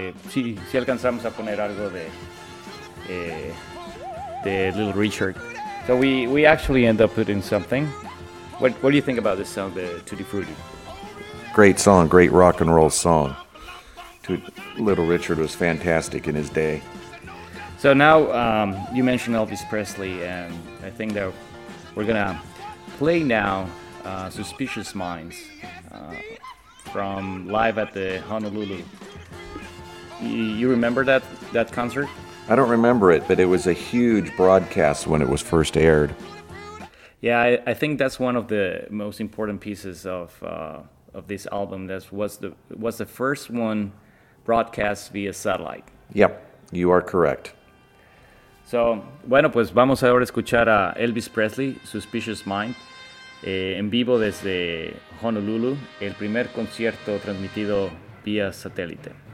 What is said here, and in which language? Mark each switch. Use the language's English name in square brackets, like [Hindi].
[Spanish] Sí, sí alcanzamos a poner algo de de Little Richard. [English] So we actually end up putting something. What do you think about this song, the Tutti Frutti? Great song, great rock and roll song. Little Richard was fantastic in his day. So now you mentioned Elvis Presley, and I think that we're gonna play now "Suspicious Minds" from live at the Honolulu. You remember that concert? I don't remember it, but it was a huge broadcast when it was first aired. Yeah, I think that's one of the most important pieces of this album. That was the first one broadcast via satellite. Yep, you are correct. [Spanish] So, bueno, pues vamos ahora a escuchar a Elvis Presley, Suspicious Mind, en vivo desde Honolulu, el primer concierto transmitido vía satélite.